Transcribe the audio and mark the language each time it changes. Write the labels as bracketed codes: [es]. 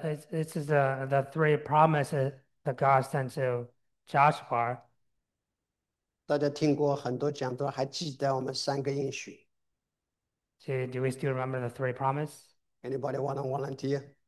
[en] This is the three promises that God sent to Joshua. [zh] 大家听过很多讲座，还记得我们3个应许 [en] Do we still remember the three promises? ？Anybody want to volunteer？